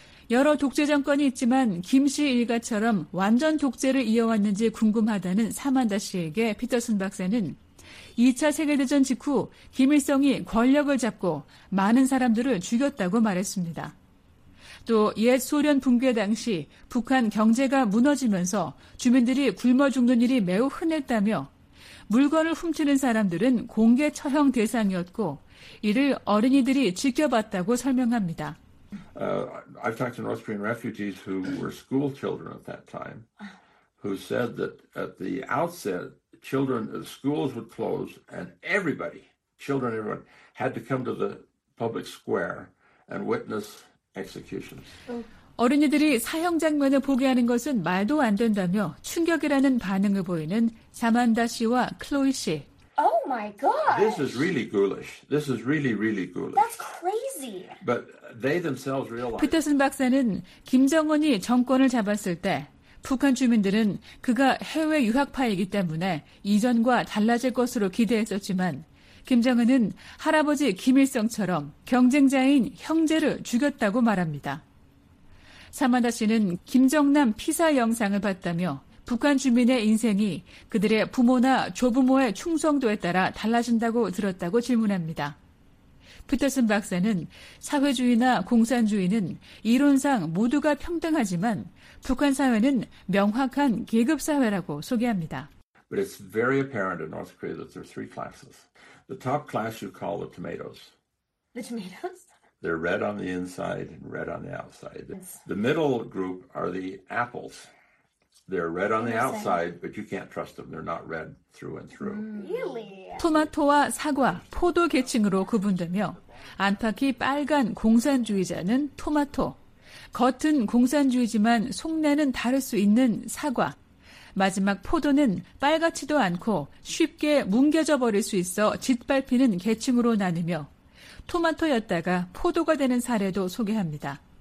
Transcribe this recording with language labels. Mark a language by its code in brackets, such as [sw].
[ko] 여러 독재 정권이 있지만 김씨 일가처럼 완전 독재를 이어왔는지 궁금하다는 사만다 씨에게 피터슨 박사는 2차 세계대전 직후 김일성이 권력을 잡고 많은 사람들을 죽였다고 말했습니다. 또 옛 소련 붕괴 당시 북한 경제가 무너지면서 주민들이 굶어 죽는 일이 매우 흔했다며 물건을 훔치는 사람들은 공개 처형 대상이었고 이를 어린이들이 지켜봤다고 설명합니다. [en] I've talked to North Korean refugees who were school children at that time who said that at the outset children schools would close and everybody children everyone had to come to the public square and witness executions. [ko] 어린이들이 사형 장면을 보게 하는 것은 말도 안 된다며 충격이라는 반응을 보이는 사만다 씨와 클로이 씨. [en] Oh my god. This is really ghoulish. This is really really ghoulish. That's crazy. But they themselves realized. [ko] 피터슨 박사는 김정은이 정권을 잡았을 때 북한 주민들은 그가 해외 유학파이기 때문에 이전과 달라질 것으로 기대했었지만 김정은은 할아버지 김일성처럼 경쟁자인 형제를 죽였다고 말합니다. 사만다 씨는 김정남 피사 영상을 봤다며 북한 주민의 인생이 그들의 부모나 조부모의 충성도에 따라 달라진다고 들었다고 질문합니다. 피터슨 박사는 사회주의나 공산주의는 이론상 모두가 평등하지만 북한 사회는 명확한 계급 사회라고 소개합니다. [en] But it's very apparent in North Korea that there are three classes. The top class you call the tomatoes. The tomatoes? They're red on the inside and red on the outside. The middle group are the apples. They're red on the outside, but you can't trust them. They're not red through and through. Really? [ko] 토마토와 사과, 포도 계층으로 구분되며 안팎이 빨간 공산주의자는 토마토, 겉은 공산주의지만 속내는 다를 수 있는 사과, 마지막 포도는 빨갛지도 않고 쉽게 뭉개져 버릴 수 있어 짓밟히는 계층으로 나누며 토마토였다가 포도가 되는 사례도 소개합니다.